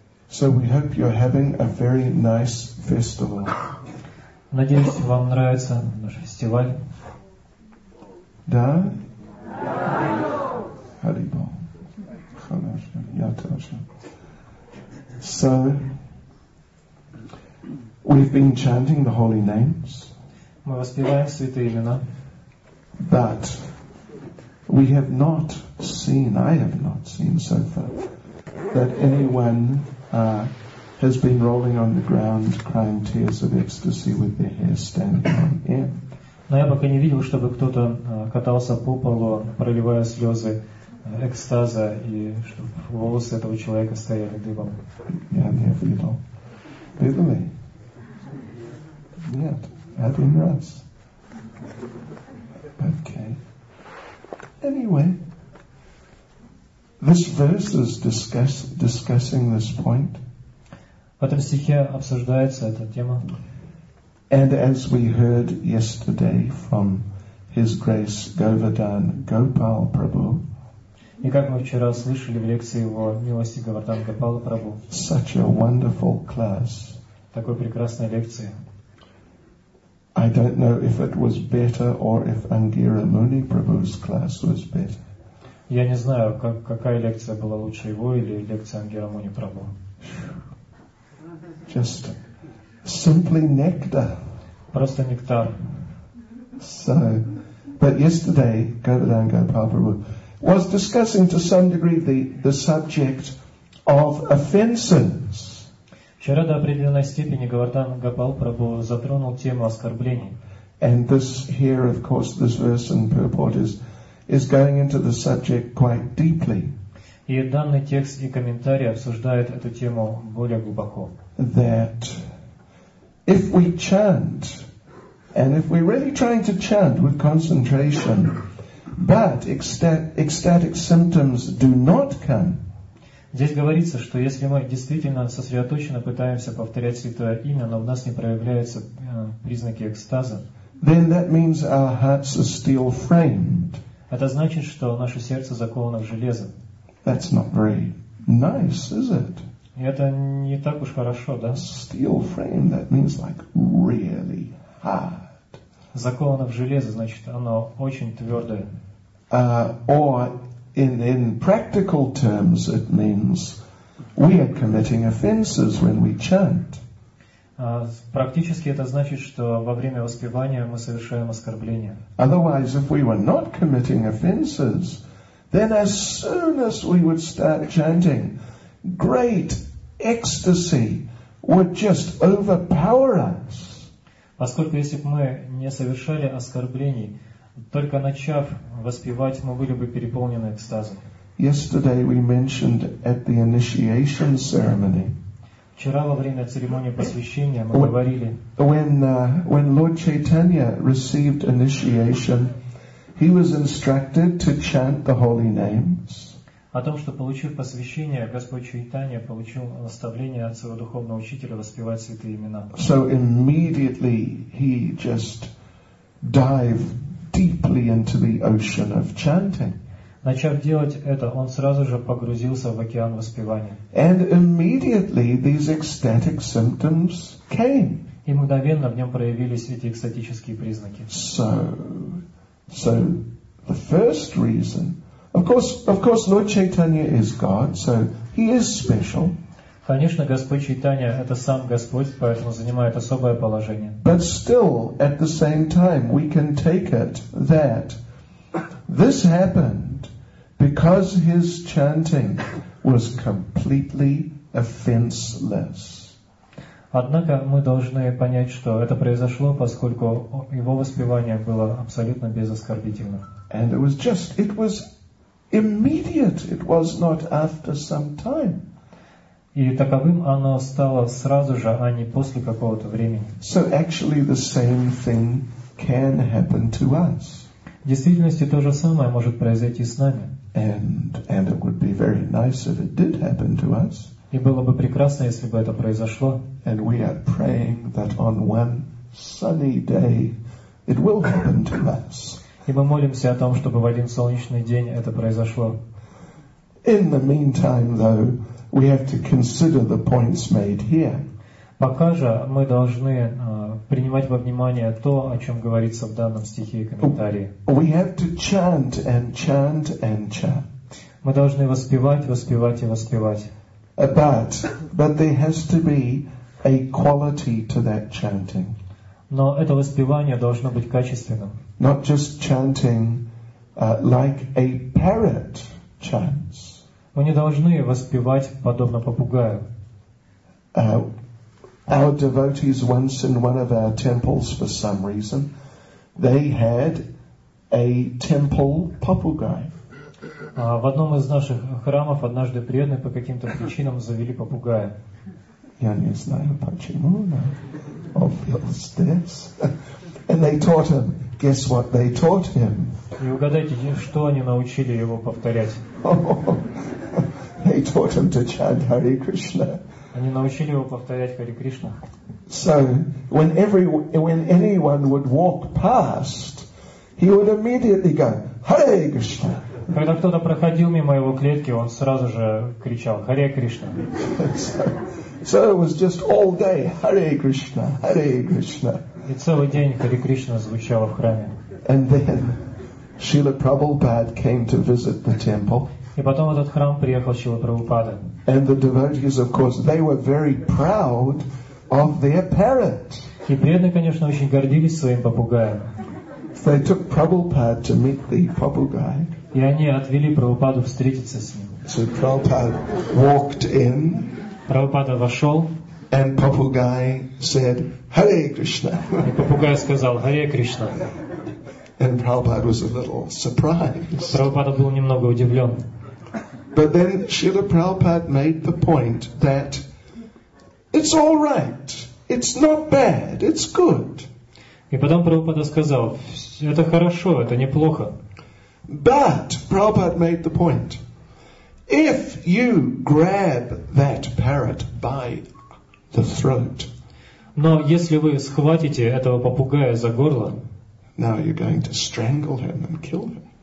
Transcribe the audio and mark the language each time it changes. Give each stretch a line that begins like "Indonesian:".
English: So we hope you're having a very nice festival.
Russian: Надеюсь, вам нравится наш фестиваль. Да? Да. Харибо. Хорошо. Я тоже.
English: So, we've been chanting the holy names.
Russian: Мы воспеваем святые имена.
English: But we have not seen, I have not seen so far, that anyone has been rolling on the ground crying tears of ecstasy with their hair standing on end.
Russian: Но я пока не видел, чтобы кто-то катался по полу, проливая слезы экстаза, и чтобы волосы этого человека стояли дыбом. Я не видел. Видели? Нет. Один раз. Okay.
English: Anyway, this verse is discussing this point.
Russian: В этом стихе обсуждается эта тема.
English: And as we heard yesterday from His Grace Govardhan Gopal Prabhu,
Russian: и как мы вчера слышали в лекции его милости Говардан Гопал Прабху,
English: such a wonderful class,
Russian: такой прекрасной лекции.
English: I don't know if it was better or if Angira Muni Prabhu's class was better.
Russian: Я не знаю, какая лекция была лучше, его или лекция Ангира Муни Прабху.
English: Just. Simply nectar.
Russian: Просто нектар.
English: So, but yesterday, Govardhan Gopal Prabhu was discussing to some degree the subject of offenses.
Russian: Вчера до определенной степени Говардхан Гопал Прабху затронул тему оскорблений.
English: And this here, of course, this verse in purport is going into the subject quite deeply.
Russian: И данный текст и комментарий обсуждает эту тему более глубоко.
English: That if we chant, and if we're really trying to chant with concentration, but ecstatic symptoms do not come.
Russian: Здесь говорится, что если мы действительно сосредоточенно пытаемся повторять святое имя, но в нас не проявляются признаки экстаза.
English: Then that means our hearts are steel framed.
Russian: Это значит, что наше сердце заковано в железо.
English: That's not very nice, is it?
Russian: И это не так уж хорошо, да?
English: Steel frame, that means like really hard.
Russian: Заковано в железо, значит, оно очень твердое.
English: Or in practical terms, it means we are committing offenses when we chant.
Russian: Практически это значит, что во время воспевания мы совершаем оскорбления.
English: Otherwise, if we were not committing offenses, then as soon as we would start chanting, great ecstasy would just overpower us.
Russian: Поскольку если бы мы не совершали оскорблений, только начав воспевать, мы были бы переполнены экстазом.
English: Yesterday we mentioned at the initiation ceremony.
Russian: Вчера во время церемонии посвящения мы говорили.
English: When Lord Chaitanya received initiation, he was instructed to chant the holy names.
Russian: О том, что получив посвящение, Господь Чайтанья получил наставление от своего духовного учителя воспевать святые имена.
English: So immediately he just dive deeply into the ocean of chanting.
Russian: Начав делать это, он сразу же погрузился в океан воспевания.
English: And immediately these ecstatic symptoms came.
Russian: И мгновенно в нем проявились эти экстатические признаки.
English: So the first reason. Of course, Lord Chaitanya is God, so he is special.
Russian: Конечно, Господь Чайтанья это сам Господь, поэтому занимает особое положение.
English: But still, at the same time, we can take it that this happened because his chanting was completely offenseless.
Russian: Однако мы должны понять, что это произошло, поскольку его воспевание было абсолютно безоскорбительным.
English: And it was just, it was immediate. It was not after some time.
Russian: И таковым оно стало сразу же, а не после какого-то времени.
English: So actually the same thing can happen to us.
Russian: В действительности то же самое может произойти с нами.
English: And it would be very nice if it did happen to us.
Russian: И было бы прекрасно, если бы это произошло.
English: And we are praying that on one sunny day it will happen to us.
Russian: И мы молимся о том, чтобы в один солнечный день это произошло.
English: In the meantime, though, we have to consider the points made here.
Russian: Пока же мы должны принимать во внимание то, о чем говорится в данном стихе и комментарии.
English: We have to chant and chant and chant.
Russian: Мы должны воспевать, воспевать и воспевать.
English: But there has to be a quality to that chanting.
Russian: Но это воспевание должно быть качественным.
English: Not just chanting like a parrot chants.
Russian: Мы не должны воспевать подобно попугаю.
English: Our devotees once in one of our temples, for some reason, they had a temple papugai.
Russian: В одном из наших храмов однажды преданные по каким-то причинам завели попугая. Я не знаю почему, но
English: obviously this. And they taught him. Guess what they taught him?
Russian: И угадайте, что они научили его повторять?
English: They taught him to chant Hare Krishna.
Russian: Они научили его повторять Хари Кришна.
English: So when anyone would walk past, he would immediately go Hare Krishna.
Russian: Когда кто-то проходил мимо его клетки, он сразу же кричал Хари Кришна.
English: So it was just all day Hare Krishna, Hare Krishna.
Russian: И целый день Хари Кришна звучало в храме.
English: And then Srila Prabhupada came to visit the temple.
Russian: И потом в этот храм приехал Шрила Прабхупада.
English: And the devotees, of course, they were very proud of their parrot.
Russian: И преданные, конечно, очень гордились своим попугаем.
English: So they took Prabhupada to meet the papugai.
Russian: И они отвели Прабхупаду встретиться с ним.
English: So Prabhupada walked in.
Russian: Прабхупада вошел.
English: And papugai said, Hare Krishna.
Russian: И попугай сказал, Харе Кришна.
English: And Prabhupada was a little surprised.
Russian: Прабхупада был немного удивлен.
English: But then Srila Prabhupada made the point that it's all right, it's not bad, it's good.
Russian: И потом Прабхупада сказал, это хорошо, это неплохо.
English: But Prabhupada made the point, if you grab that parrot by the throat,
Russian: но если вы схватите этого попугая за горло,
English: now you're going to strangle him and kill him.